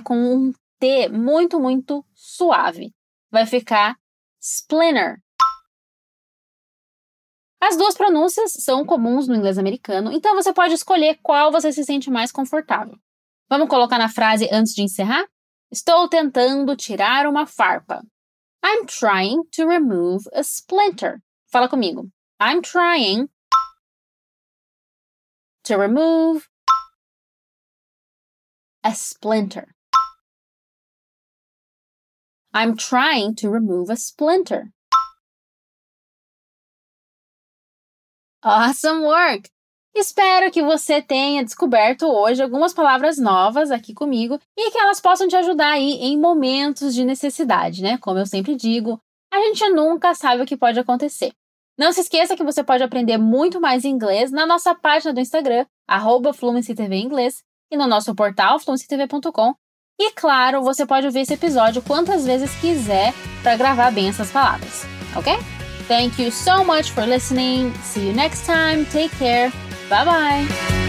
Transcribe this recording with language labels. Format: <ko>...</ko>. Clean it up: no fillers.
<pt>Com um T muito, muito suave. Vai ficar splinter. As duas pronúncias são comuns no inglês americano, então você pode escolher qual você se sente mais confortável. Vamos colocar na frase antes de encerrar? Estou tentando tirar uma farpa.</pt> <en>I'm trying to remove a splinter.</en> <pt>Fala comigo.</pt> <en>I'm trying to remove a splinter. I'm trying to remove a splinter. Awesome work!</en> <pt>Espero que você tenha descoberto hoje algumas palavras novas aqui comigo e que elas possam te ajudar aí em momentos de necessidade, né? Como eu sempre digo, a gente nunca sabe o que pode acontecer. Não se esqueça que você pode aprender muito mais inglês na nossa página do Instagram, @fluencytvinglês, e no nosso portal, fluencytv.com. E, claro, você pode ouvir esse episódio quantas vezes quiser para gravar bem essas palavras, ok?</pt> <en>Thank you so much for listening. See you next time. Take care. Bye-bye.</en>